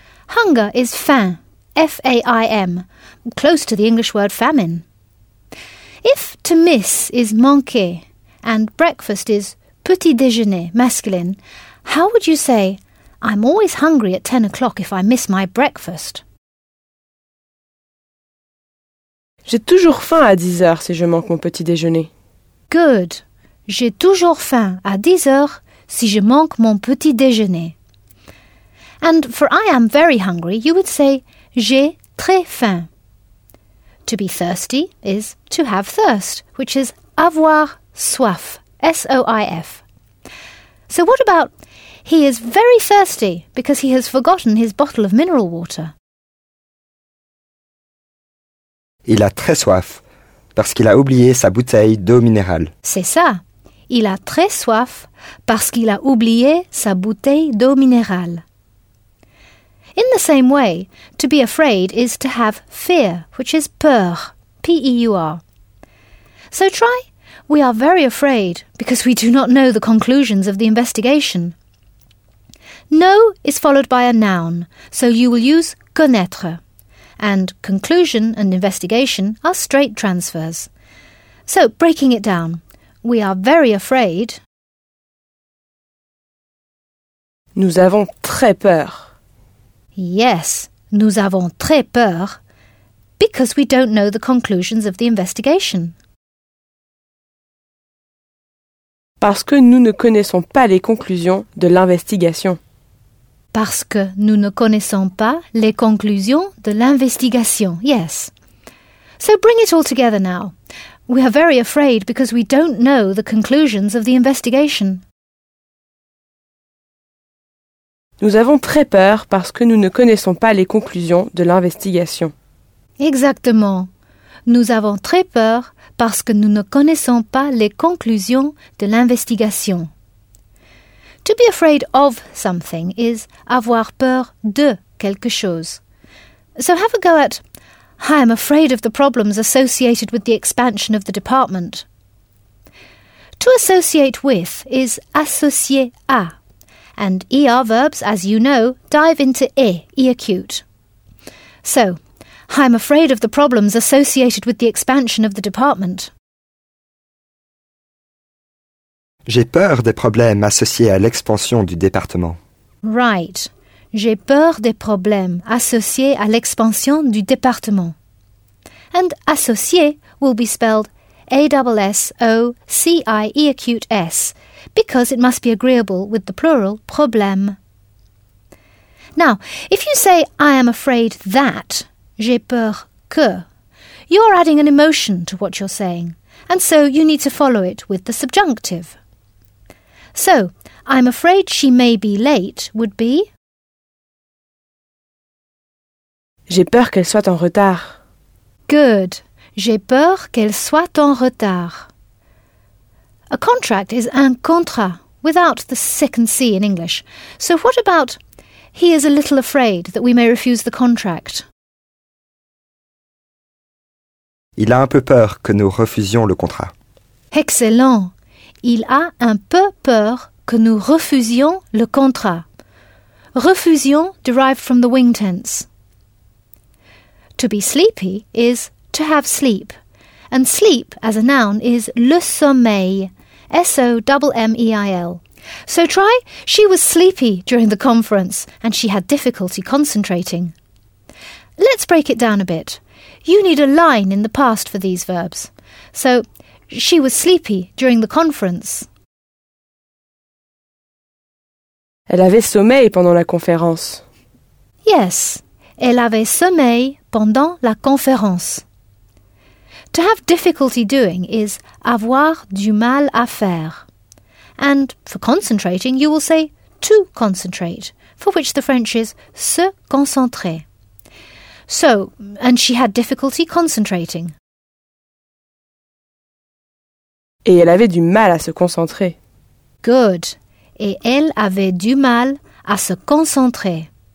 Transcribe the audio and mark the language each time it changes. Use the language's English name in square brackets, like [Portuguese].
[English] Hunger is faim, F-A-I-M, close to the English word famine. If to miss is manquer and breakfast is petit déjeuner, masculine, how would you say, I'm always hungry at 10 o'clock if I miss my breakfast? [French] J'ai toujours faim à 10 heures si je manque mon petit déjeuner. [English] Good. [French] J'ai toujours faim à 10 heures si je manque mon petit déjeuner. [English] And for I am very hungry, you would say [French] j'ai très faim. [English] To be thirsty is to have thirst, which is [French] avoir soif, [English] S-O-I-F. So what about he is very thirsty because he has forgotten his bottle of mineral water? [French] Il a très soif parce qu'il a oublié sa bouteille d'eau minérale. C'est ça. Il a très soif parce qu'il a oublié sa bouteille d'eau minérale. [English] In the same way, to be afraid is to have fear, which is peur, P-E-U-R. So try, we are very afraid because we do not know the conclusions of the investigation. No is followed by a noun, so you will use connaître. And conclusion and investigation are straight transfers. So, breaking it down, we are very afraid. [French] Nous avons très peur. [English] Yes, [French] nous avons très peur, [English] because we don't know the conclusions of the investigation. [French] Parce que nous ne connaissons pas les conclusions de l'investigation. Parce que nous ne connaissons pas les conclusions de l'investigation, yes. [English] So bring it all together now. We are very afraid because we don't know the conclusions of the investigation. [French] Nous avons très peur parce que nous ne connaissons pas les conclusions de l'investigation. Exactement. Nous avons très peur parce que nous ne connaissons pas les conclusions de l'investigation. [English] To be afraid of something is [French] avoir peur de quelque chose. [English] So have a go at, I am afraid of the problems associated with the expansion of the department. To associate with is [French] associer à. [English] And ER verbs, as you know, dive into E acute. So, I'm afraid of the problems associated with the expansion of the department. [French] J'ai peur des problèmes associés à l'expansion du département. [English] Right. [French] J'ai peur des problèmes associés à l'expansion du département. [English] And associer will be spelled A-S-S-O-C-I-E acute S, because it must be agreeable with the plural problème. Now, if you say, I am afraid that, [French] j'ai peur que, [English] you're adding an emotion to what you're saying, and so you need to follow it with the subjunctive. So, I'm afraid she may be late would be... [French] J'ai peur qu'elle soit en retard. [English] Good. [French] J'ai peur qu'elle soit en retard. [English] A contract is un contrat, without the second C in English. So what about, he is a little afraid that we may refuse the contract? [French] Il a un peu peur que nous refusions le contrat. [English] Excellent. [French] Il a un peu peur que nous refusions le contrat. [English] Refusion derived from the wing tense. To be sleepy is... to have sleep. And sleep, as a noun, is le sommeil, S-O-M-M-E-I-L. So try, she was sleepy during the conference and she had difficulty concentrating. Let's break it down a bit. You need a line in the past for these verbs. So, she was sleepy during the conference. [French] Elle avait sommeil pendant la conférence. Yes, elle avait sommeil pendant la conférence. [English] To have difficulty doing is [French] avoir du mal à faire. [English] And for concentrating, you will say to concentrate, for which the French is [French] se concentrer. [English] So, and she had difficulty concentrating. [French] Et elle avait du mal à se concentrer. [English] Good. [French] et elle avait du mal à se concentrer.